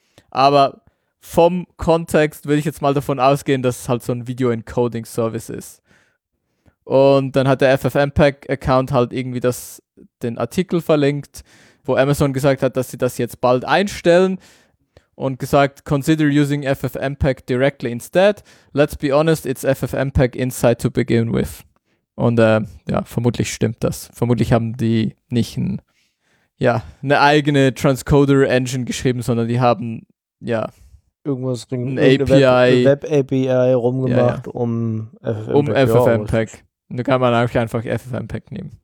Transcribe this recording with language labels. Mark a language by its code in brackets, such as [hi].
[de] Aber vom Kontext würde ich jetzt mal davon ausgehen, dass es halt so ein Video-Encoding-Service ist. Und dann hat der FFmpeg-Account halt irgendwie den Artikel verlinkt, wo Amazon gesagt hat, dass sie das jetzt bald einstellen und gesagt, [en] consider using FFmpeg directly instead. Let's be honest, it's FFmpeg inside to begin with. [de] Und ja, vermutlich stimmt das. Vermutlich haben die nicht eine eigene Transcoder-Engine geschrieben, sondern die haben, ja, irgendwas ein API, Web-API rumgemacht, um FFmpeg. Und da kann man einfach FFmpeg nehmen.